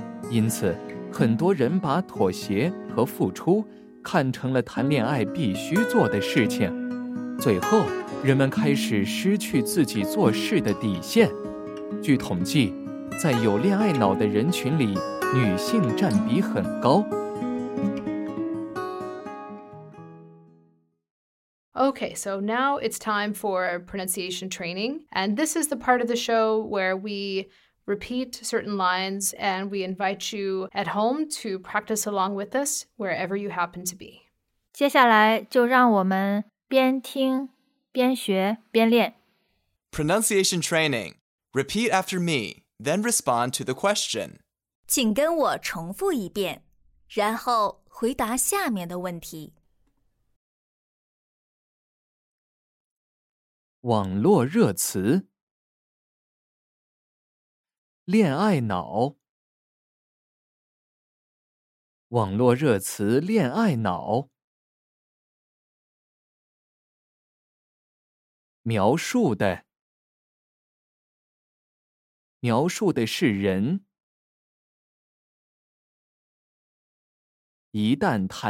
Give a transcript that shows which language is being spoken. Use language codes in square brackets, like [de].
[zh] 因此，很多人把妥协和付出看成了谈恋爱必须做的事情。最后， 人们开始失去自己做事的底线。据统计，在有恋爱脑的人群里，女性占比很高。 [en] Okay, so now it's time for pronunciation training. And this is the part of the show where we repeat certain lines and we invite you at home to practice along with us wherever you happen to be. [zh] 接下来就让我们边听 边学边练. [en] Pronunciation training. Repeat after me, then respond to the question. [zh] 请跟我重复一遍, 然后回答下面的问题. 网络热词, 恋爱脑, 网络热词恋爱脑, 描述的是人一旦